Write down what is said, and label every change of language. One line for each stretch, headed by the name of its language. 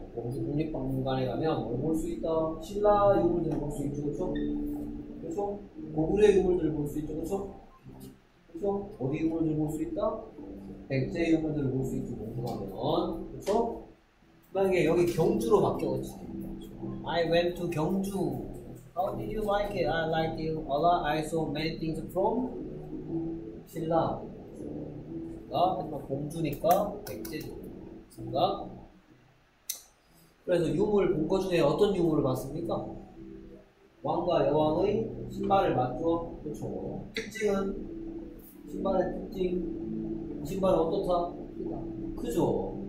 Korean: 공주 국립박물관에 가면 뭘 볼 수 있다? 신라 유물들을 볼 수 있죠, 그쵸? 그쵸? 고구려 유물들을 볼 수 있죠, 그쵸? 그쵸? 어디 유물들을 볼 수 있다? 백제 유물들을 볼 수 있죠, 공주 가면. 그쵸? 만약에 여기 경주로 바뀌었지.
English: I went to 경주. How did you like it? I liked it a lot. I saw many things from 신라.
Korean: 그니까 공주니까 백제죠. 그니까? 그래서 유물 본 것 중에 어떤 유물을 봤습니까? 왕과 여왕의 신발을 봤죠? 그렇죠. 특징은? 신발의 특징? 신발은 어떻다? 크죠?